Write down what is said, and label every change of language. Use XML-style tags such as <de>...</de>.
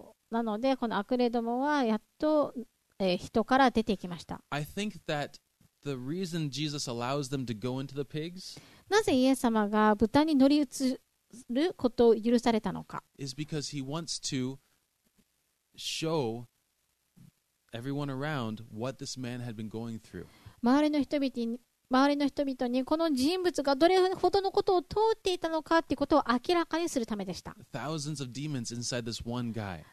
<ja>なのでこの悪霊どもはやっと、人から出ていきました。</ja> <en>I think that the reason Jesus allows them to go into the pigs.</en> <ja>なぜイエス様が豚に乗り移ることを許されたのか。</ja> <en>Is because he wants to show everyone around what this man had been going through.</en> <ja>周りの人々にこの人物がどれほどのことを通っていたのかということを明らかにするためでした。</ja> <en>Thousands of demons inside this one guy.</en>